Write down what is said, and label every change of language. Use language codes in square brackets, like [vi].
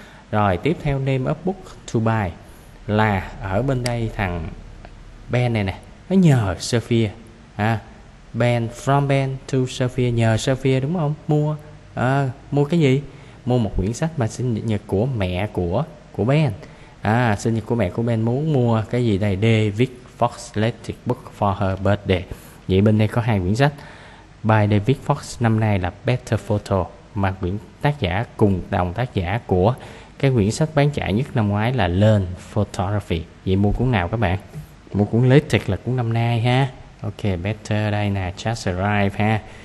[vi] Rồi tiếp theo [en] name of book to buy [vi] là ở bên đây thằng Ben này nè, nó nhờ Sophia ha. Ben, [en] from Ben to Sophia, [vi] nhờ Sophia đúng không? Mua cái gì? Mua một quyển sách mà sinh nhật của mẹ của Ben. Sinh nhật của mẹ của Ben muốn mua cái gì đây? [en] David Fox latest book for her birthday. [vi] Vậy bên đây có hai quyển sách. [en] By David Fox [vi] năm nay là Better Photo, mà quyển tác giả cùng đồng tác giả của cái quyển sách bán chạy nhất năm ngoái là Learn Photography. Vậy mua cuốn nào các bạn? Mua cuốn latest là cuốn năm nay ha. Ok, Better đây nè, Just Arrive ha.